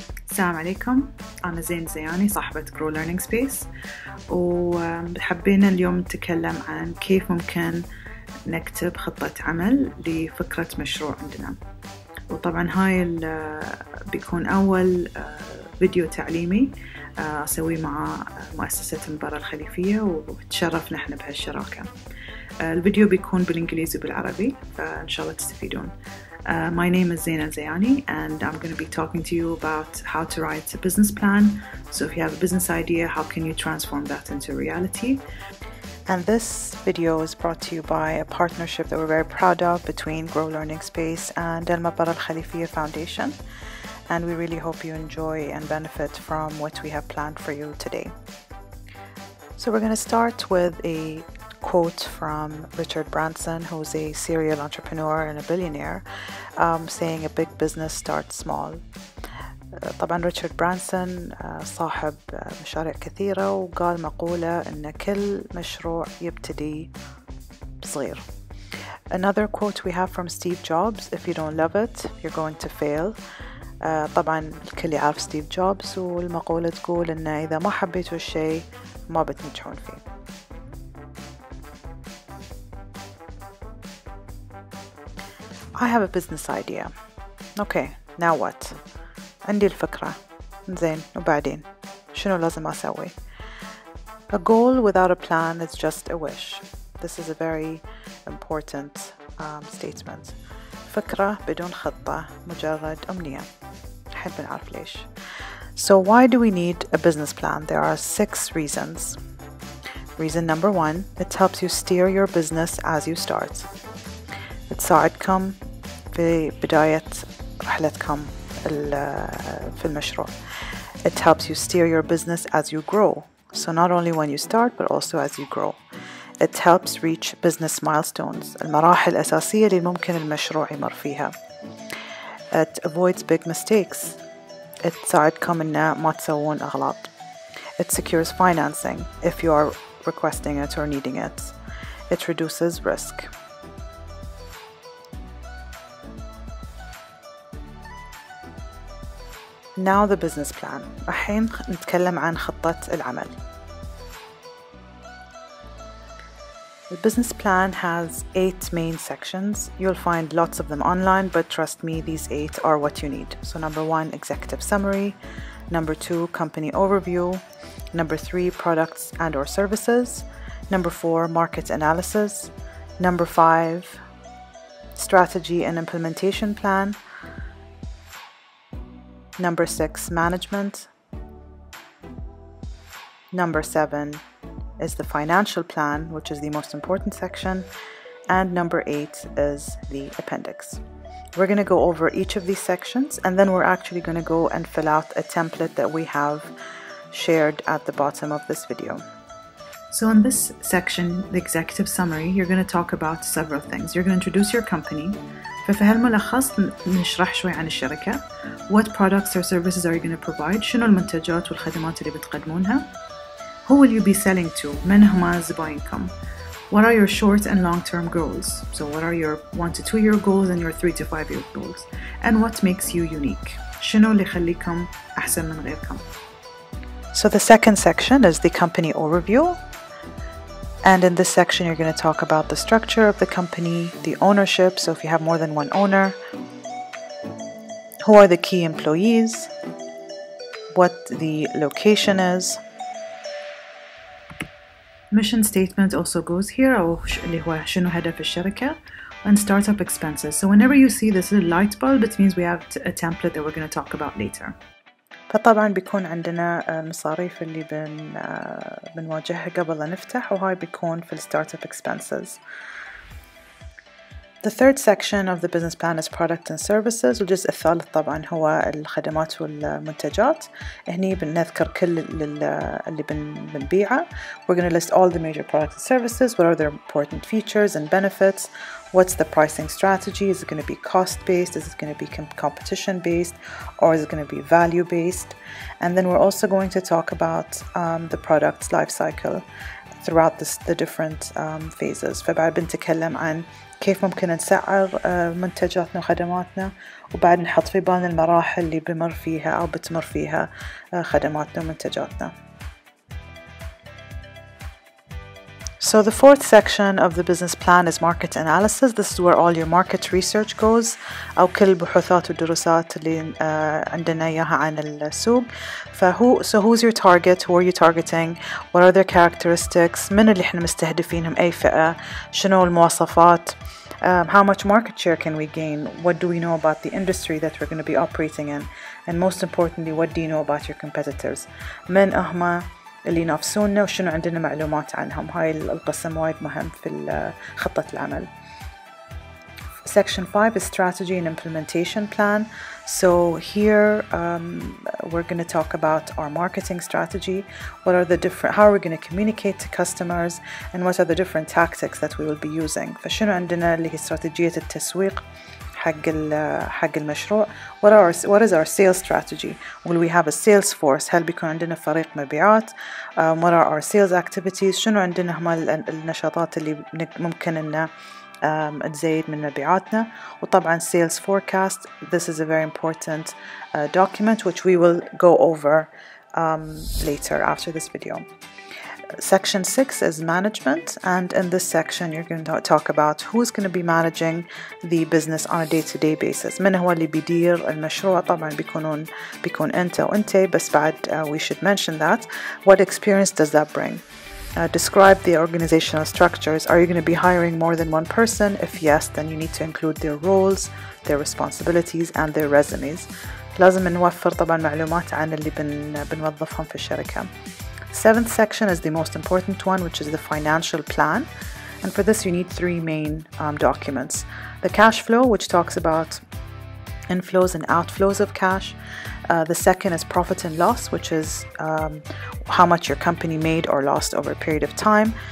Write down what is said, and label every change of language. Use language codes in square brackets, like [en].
[ar] السلام عليكم، أنا زين زياني صاحبة Grow Learning Space، وحبينا اليوم نتكلم عن كيف ممكن نكتب خطة عمل لفكرة مشروع عندنا. وطبعا هاي بيكون أول فيديو تعليمي أسويه مع مؤسسة مبارا الخليفية، وتشرف نحن بهالشراكة. الفيديو بيكون بالإنجليزي وبالعربي، فإن شاء الله تستفيدون. [en] My name is Zainal Zayani, and I'm going to be talking to you about how to write a business plan. So if you have a business idea, how can you transform that into reality? And this video is brought to you by a partnership that we're very proud of between Grow Learning Space and Al Mabarra Alkhalifia Foundation. And we really hope you enjoy and benefit from what we have planned for you today. So we're going to start with a quote from Richard Branson, who's a serial entrepreneur and a billionaire, saying a big business starts small. [ar] طبعا ريتشارد برانسون صاحب مشاريع كثيرة، وقال مقولة ان كل مشروع يبتدي صغير. [en] Another quote we have from Steve Jobs: if you don't love it, you're going to fail. [ar] طبعا الكل يعرف ستيف جوبز، والمقولة تقول ان اذا ما حبيتوا الشيء ما بتنجحون فيه. [en] I have a business idea. Okay, now what? [ar] عندي الفكرة. زين، وبعدين شنو لازم أسوي؟ [en] A goal without a plan is just a wish. This is a very important statement. [ar] فكرة بدون خطة مجرد أمنية. حب نعرف ليش. [en] So why do we need a business plan? There are 6 reasons. Reason number 1: it helps you steer your business as you start. [ar] تساعدكم في بداية رحلتكم في المشروع. [en] It helps you steer your business as you grow. So not only when you start, but also as you grow. It helps reach business milestones. [ar] المراحل الأساسية اللي ممكن المشروع يمر فيها. [en] It avoids big mistakes. [ar] It تساعدكم إن ما تسوون أغلاط. [en] It secures financing if you are requesting it or needing it. It reduces risk. Now the business plan. [ar] الحين نتكلم عن خطة العمل. [en] The business plan has 8 main sections. You'll find lots of them online, but trust me, these 8 are what you need. So number 1, executive summary. Number 2, company overview. Number 3, products and or services. Number 4, market analysis. Number 5, strategy and implementation plan. Number 6, management. Number 7 is the financial plan, which is the most important section. And number 8 is the appendix. We're going to go over each of these sections, and then we're actually going to go and fill out a template that we have shared at the bottom of this video. So in this section, the executive summary, you're going to talk about several things. You're going to introduce your company. [ar] ففي هالملخص نشرح شوي عن الشركة. [en] What products or services are you going to provide? [ar] شنو المنتجات والخدمات اللي بتقدمونها؟ [en] Who will you be selling to? [ar] من هما زباينكم؟ [en] What are your short and long-term goals? So what are your 1 to 2 year goals and your 3 to 5 year goals? And what makes you unique? [ar] شنو اللي يخليكم أحسن من غيركم؟ [en] So the second section is the company overview. And in this section, you're going to talk about the structure of the company, the ownership, so if you have more than one owner, who are the key employees, what the location is. Mission statement also goes here, [ar] اللي هو شنو هدف الشركة, [en] and startup expenses. So whenever you see this little light bulb, it means we have a template that we're going to talk about later. [ar] فطبعا بيكون عندنا المصاريف اللي بنواجهها قبل لا نفتح، وهاي بيكون في الستارتاب اكسبنسز. [en] The third section of the business plan is product and services. [ar] والجزء الثالث طبعا هو الخدمات والمنتجات. هني بنذكر كل اللي بنبيعه. [en] We're going to list all the major products and services. What are their important features and benefits? What's the pricing strategy? Is it going to be cost-based? Is it going to be competition-based? Or is it going to be value-based? And then we're also going to talk about the product's life cycle. throughout the different phases. [ar] فبعد بنتكلم عن كيف ممكن نسعر منتجاتنا وخدماتنا وبعد نحط في بالنا المراحل اللي بمر فيها أو بتمر فيها خدماتنا ومنتجاتنا. [en] So the fourth section of the business plan is market analysis. This is where all your market research goes. [ar] أو كل البحوثات والدراسات اللي عندنا إياها عن السوق. [en] So who's your target? Who are you targeting? What are their characteristics? [ar] من اللي إحنا مستهدفينهم؟ أي فئة؟ شنو المواصفات؟ [en] How much market share can we gain? What do we know about the industry that we're going to be operating in? And most importantly, what do you know about your competitors? [ar] من أهما؟ اللي ينافسونا وشنو عندنا معلومات عنهم. هاي القسم وايد مهم في خطة العمل. [en] Section 5 is strategy and implementation plan. So here we're going to talk about our marketing strategy. What are the different, how are we going to communicate to customers and what are the different tactics that we will be using. [ar] فشنو عندنا اللي هي استراتيجية التسويق حق المشروع. [en] What is our sales strategy? Will we have a sales force? [ar] هل بيكون عندنا فريق مبيعات? [en] What are our sales activities? [ar] شنو عندنا هما النشاطات اللي ممكن إنه تزيد من مبيعاتنا. [en] وطبعا sales forecast. This is a very important document which we will go over later after this video. Section 6 is management, and in this section you're going to talk about who's going to be managing the business on a day-to-day basis. [ar] من هو اللي بيدير المشروع؟ طبعا بيكون انت وانت, بس بعد [en] we should mention that. What experience does that bring? Describe the organizational structures. Are you going to be hiring more than one person? If yes, then you need to include their roles, their responsibilities, and their resumes. [ar] لازم نوفر طبعا معلومات عن اللي بنوظفهم في الشركة. [en] Seventh section is the most important one, which is the financial plan. And for this, you need three main documents. The cash flow, which talks about inflows and outflows of cash. The second is profit and loss, which is how much your company made or lost over a period of time.